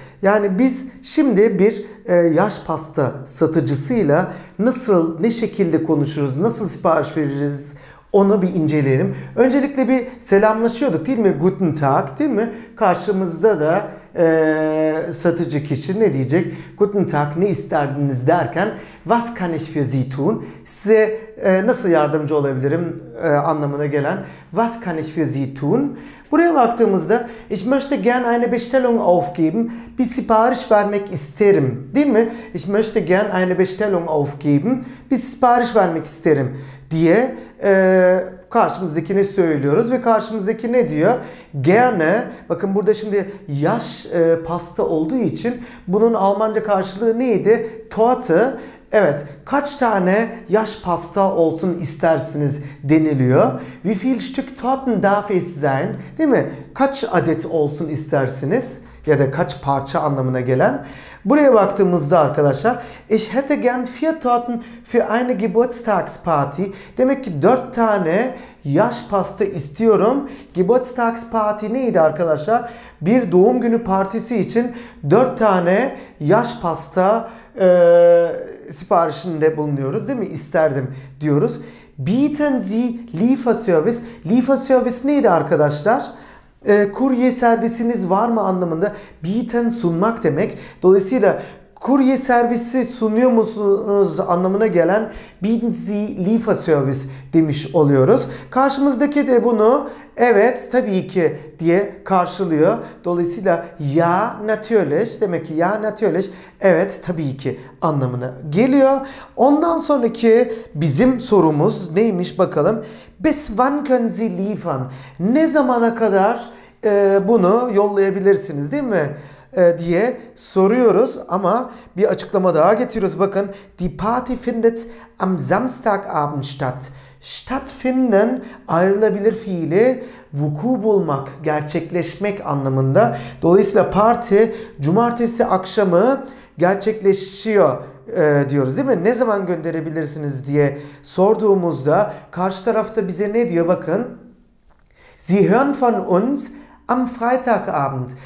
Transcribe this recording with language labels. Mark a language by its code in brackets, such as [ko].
[tr] Yani biz şimdi bir yaş pasta satıcısıyla nasıl, ne şekilde konuşuruz, nasıl sipariş veririz onu bir inceleyelim. Öncelikle bir selamlaşıyorduk değil mi? [de] Guten Tag [tr] değil mi? Karşımızda da satıcı kişi ne diyecek? [de] Guten Tag, [tr] ne isterdiniz derken [de] Was kann ich für Sie tun? [tr] Size nasıl yardımcı olabilirim anlamına gelen [de] Was kann ich für Sie tun? [tr] Buraya baktığımızda [de] Ich möchte gern eine Bestellung aufgeben. [tr] Bir sipariş vermek isterim. Değil mi? [de] Ich möchte gern eine Bestellung aufgeben. [tr] Bir sipariş vermek isterim diye karşımızdakine söylüyoruz ve karşımızdaki ne diyor? Gerne, bakın burada şimdi yaş pasta olduğu için bunun Almanca karşılığı neydi? Torte. Evet, kaç tane yaş pasta olsun istersiniz deniliyor. [de] Wie viel Stück Torten darf es sein? [tr] Değil mi? Kaç adet olsun istersiniz? Ya da kaç parça anlamına gelen. Buraya baktığımızda arkadaşlar [de] Ich hätte gern vier Torten für eine Geburtstagsparty. [tr] Demek ki 4 tane yaş pasta istiyorum. Geburtstagsparty neydi arkadaşlar? Bir doğum günü partisi için 4 tane yaş pasta siparişinde bulunuyoruz değil mi? İsterdim diyoruz. [de] Bieten Sie Lieferservice. [tr] Lieferservice neydi arkadaşlar? Kurye servisiniz var mı anlamında bieten sunmak demek. Dolayısıyla kurye servisi sunuyor musunuz anlamına gelen [de] bieten Sie Lieferservice [tr] demiş oluyoruz. Karşımızdaki de bunu evet tabii ki diye karşılıyor. Dolayısıyla [de] ja natürlich [tr] demek ki ja natürlich evet tabii ki anlamına geliyor. Ondan sonraki bizim sorumuz neymiş bakalım. [de] Bis wann können Sie liefern? [tr] Ne zamana kadar bunu yollayabilirsiniz değil mi? diye soruyoruz ama bir açıklama daha getiriyoruz. Bakın, [de] die Party findet am Samstagabend statt. [tr] Stattfinden ayrılabilir fiili vuku bulmak, gerçekleşmek anlamında. Dolayısıyla parti cumartesi akşamı gerçekleşiyor diyoruz değil mi? Ne zaman gönderebilirsiniz diye sorduğumuzda karşı tarafta bize ne diyor? Bakın. [de] Sie hören von uns am Freitagabend.